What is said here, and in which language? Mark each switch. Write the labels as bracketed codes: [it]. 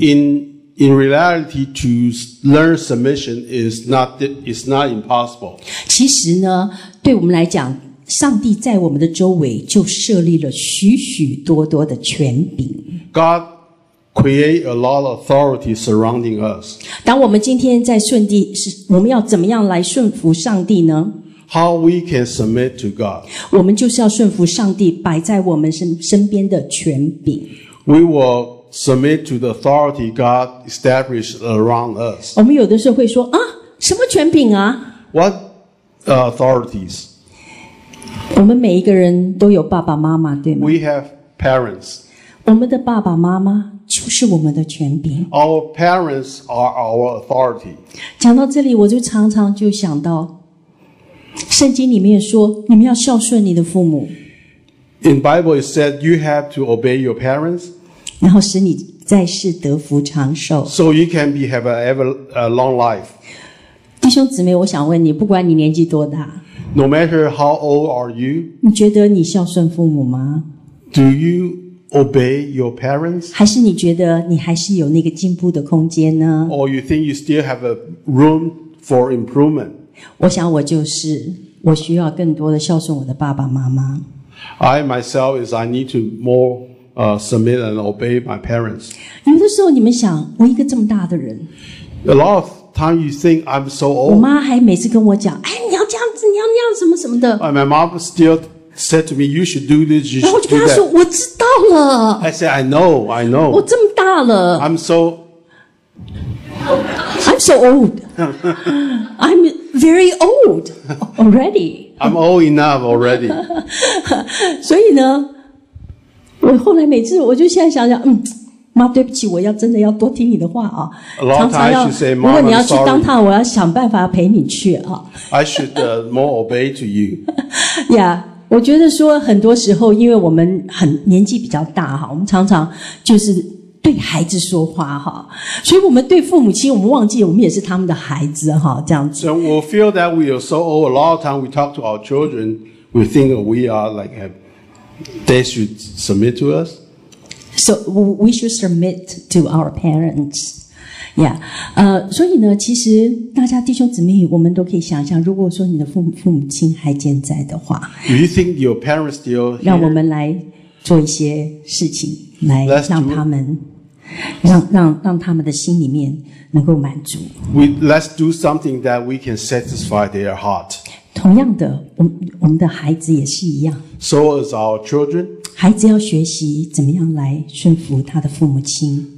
[en] But in reality, to learn submission is not impossible. [zh] 其实呢，对我们来讲。上帝在我们的周围就设立了许许多多的权柄。 [en] God create a lot of authority surrounding us. [zh] 当我们今天在顺地，我们要怎么样来顺服上帝呢？ [en] How we can submit to God. [zh] 我们就是要顺服上帝摆在我们身边的权柄。 [en] We will submit to the authority God established around us. [zh] 我们有的时候会说啊，什么权柄啊？ [en] What authorities? [zh] 我们每一个人都有爸爸妈妈，对吗？ [en] We have parents. [zh] 我们的爸爸妈妈就是我们的权柄。 [en] Our parents are our authority. [zh] 讲到这里，我就常常就想到，圣经里面说，你们要孝顺你的父母。 [en] In Bible it said you have to obey your parents. [zh] 然后使你在世得福长寿。 [en] So you can be have a ever a long life. [zh] 弟兄姊妹，我想问你，不管你年纪多大。 [en] No matter how old are you, [zh] 你觉得你孝顺父母吗？ [en] Do you obey your parents? [zh] 还是你觉得你还是有那个进步的空间呢？ [en] Or you think you still have a room for improvement? [zh] 我想我就是，我需要更多的孝顺我的爸爸妈妈。 [en] I myself is I need to more submit and obey my parents. [zh] 有的时候你们想，我一个这么大的人。 [en] A lot of time you think I'm so old. [zh] 我妈还每次跟我讲，哎，你要这样子，你要那样什么什么的。 [en] My mom still said to me, "You should do this." [zh] 然后我就跟她说，我知道了。 [en] I said, "I know, I know." [zh] 我这么大了。 [en] I'm so old. I'm very old already. I'm old enough already. [zh] 所以呢，我后来每次我就现在想想，妈，对不起，我要真的要多听你的话啊！常常要， [en] say, [zh] 如果你要去当趟，我要想办法陪你去啊。 [en] I should more obey to you. [zh] Yeah, 我觉得说很多时候，因为我们很年纪比较大哈，我们常常就是对孩子说话哈，所以我们对父母亲，我们忘记我们也是他们的孩子哈，这样子。 [en] So we feel that we are so old. A lot of time we talk to our children, we think we are like they should submit to us. So we should submit to our parents, yeah. [zh] 所以呢，其实大家弟兄姊妹，我们都可以想象，如果说你的父母亲还健在的话 [en] ，Do you think your parents still here? [zh] 让我们来做一些事情，来让他们， [en] let's [zh] 让他们的心里面能够满足。 [en] Let's do something that we can satisfy their heart. [zh] 同样的，我们的孩子也是一样。 [en] So is our children. [zh] 孩子要学习怎么样来顺服他的父母亲。